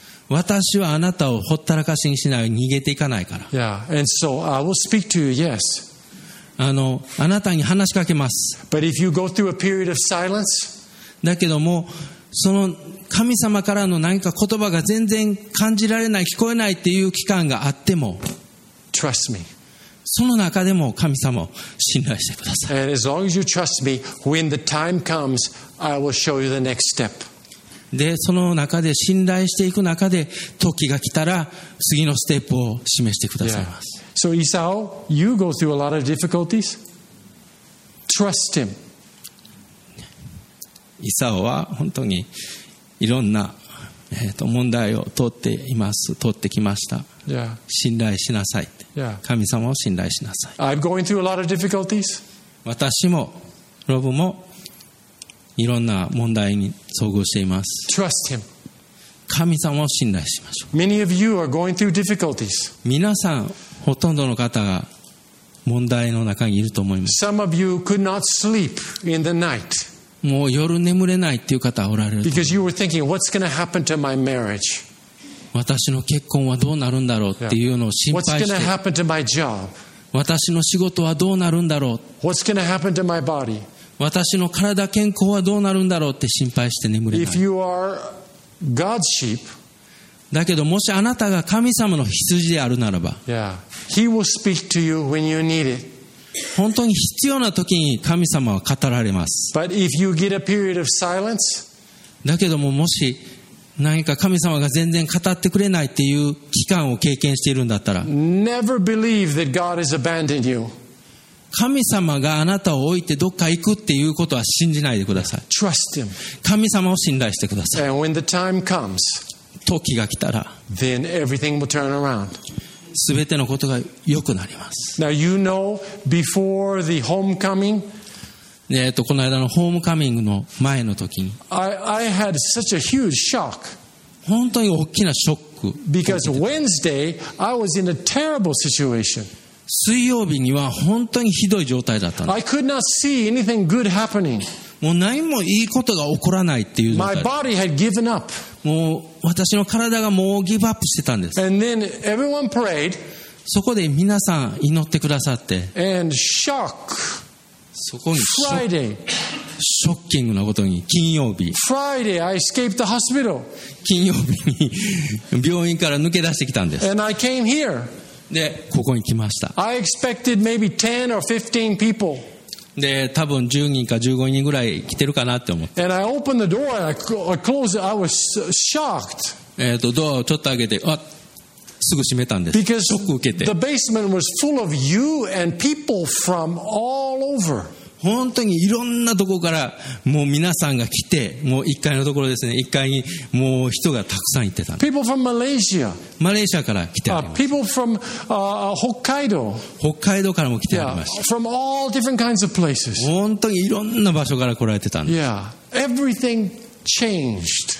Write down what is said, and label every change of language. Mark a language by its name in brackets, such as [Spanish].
[Japanese] 私はあなたをほったらかしにしない、逃げていかないから。 [English] Yeah, and so I will speak to you, yes. [Japanese] あなたに話しかけます。 [English] But if you go through a period of silence, [Japanese] だけども、その神様からの何か言葉が全然感じられない、聞こえないっていう期間があっても、 [English] trust me. [Japanese] その中でも神様を信頼してください。 [English] And as long as you trust me, when the time comes, I will show you the next step. [Japanese] でその中で信頼していく中で時が来たら次のステップを示してくださいます。 [English] Yeah. So Esau, you go through a lot of difficulties. Trust him. [Japanese] イサオは本当にいろんな問題を通っています。通ってきました。 [English] Yeah. [Japanese] 信頼しなさい。 [English] Yeah. [Japanese] 神様を信頼しなさい。 [English] I'm going through a lot of difficulties. [Japanese] 私もロブもいろんな問題に遭遇しています。 [English] Trust him. [Japanese] 神様を信頼しましょう。 [English] Many of you are going through difficulties. [Japanese] 皆さんほとんどの方が問題の中にいると思います。 [English] Some of you could not sleep in the night. [Japanese] もう夜眠れないっていう方がおられる。 [English] Because you were thinking, what's going to happen to my marriage? [Japanese] 私の結婚はどうなるんだろうっていうのを心配して。 [English] What's going to happen to my job? [Japanese] 私の仕事はどうなるんだろう。 [English] What's going to happen to my body? [Japanese] 私の体健康はどうなるんだろうって心配して眠れない。 [English] If you are God's sheep, [Japanese] だけどもしあなたが神様の羊であるならば、 [English] yeah. He will speak to you when you need it. [Japanese] 本当に必要な時に神様は語られます。 [English] But if you get a period of silence, [Japanese] だけどももし何か神様が全然語ってくれないっていう期間を経験しているんだったら、 [English] Never believe that God has abandoned you. [Japanese] 神様があなたを置いてどっか行くっていうことは信じないでください。 [English] Trust him. [Japanese] 神様を信頼してください。 [English] And when the time comes, [Japanese] 時が来たら、 [English] then everything will turn around. [Japanese] 全てのことが良くなります。 [English] Now you know, before the homecoming, [Japanese] この間のホームカミングの前の時に、 [English] I had such a huge shock. [Japanese] 本当に大きなショック。 [English] Because Wednesday, I was in a terrible situation. [Japanese] 水曜日には本当にひどい状態だったんです。 [English] I could not see anything good happening. [Japanese] もう何もいいことが起こらないっていう状態。 [English] My body had given up. [Japanese] もう私の体がもうギブアップしてたんです。 [English] And then everyone prayed. [Japanese] そこで皆さん祈ってくださって。 [English] And shock. [Japanese] そこに [English] Friday. [Japanese] ショッキングなことに金曜日。 [English] Friday I escaped the hospital. [Japanese] 金曜日に病院から抜け出してきたんです。 [English] And I came here. [Japanese] でここに来ました。 [English] I expected maybe 10 or 15 people. [Japanese] で多分10人か15人ぐらい来てるかなって思って。 [English] And I opened the door and I closed it. I was shocked. [Japanese] ドアをちょっと開けて、あ、すぐ閉めたんです。 [English] Because [Japanese] ショック受けて。 [English] The basement was full of you and people from all over. [Japanese] 本当にいろんなところからもう皆さんが来て、もう1階のところですね、1階にもう人がたくさん行ってたんです。 [English] People from Malaysia. [Japanese] マレーシアから来てありました。 [English] People from Hokkaido. [Japanese] 北海道からも来てありました。 [English] Yeah, from all different kinds of places. [Japanese] 本当にいろんな場所から来られてたんです。 [English] Yeah, everything changed.